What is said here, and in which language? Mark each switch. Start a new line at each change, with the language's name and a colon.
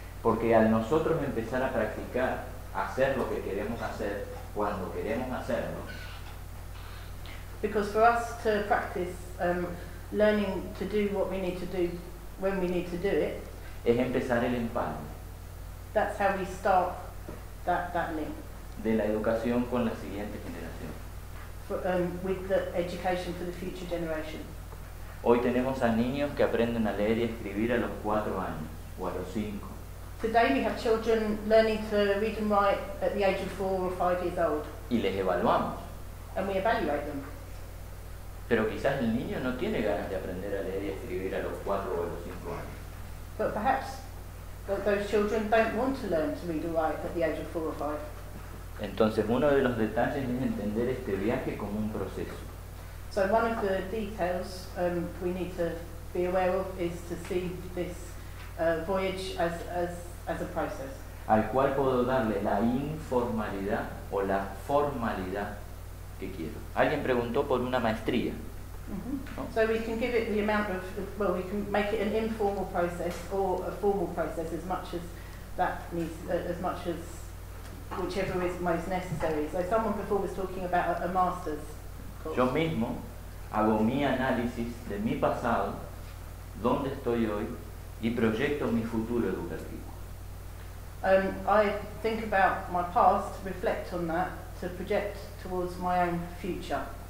Spanish: Porque al nosotros empezar a practicar hacer lo que queremos hacer cuando queremos hacerlo.
English: Because for us to practice learning to do what we need to do when we need to do it.
Spanish: Es empezar el empalme.
English: That's how we start that link.
Spanish: De la educación con la siguiente generación.
English: With the education for the future generation.
Spanish: Hoy tenemos a niños que aprenden a leer y escribir a los 4 años o a los 5.
English: Today we have children learning to read and write at the age of 4 or 5 years old.
Spanish: Y les evaluamos.
English: And we evaluate them.
Spanish: Pero quizás el niño no tiene ganas de aprender a leer y escribir a los 4 o a los 5 años.
English: But perhaps those children don't want to learn to read or write at the age of 4 or 5.
Spanish: Entonces, uno de los detalles es entender este viaje como un proceso.
English: So one of the details we need to be aware of is to see this voyage as a process.
Spanish: Al cual puedo darle la informalidad o la formalidad que quiero. Alguien preguntó por una maestría.
English: Mm-hmm. So we can give it the amount of, well, we can make it an informal process or a formal process as much as that needs, as much as whichever is most necessary. So someone before was talking about a master's course.
Spanish: Yo mismo hago mi análisis de mi pasado, dónde estoy hoy y proyecto mi futuro educativo.
English: I think about my past, reflect on that, to project towards my own future.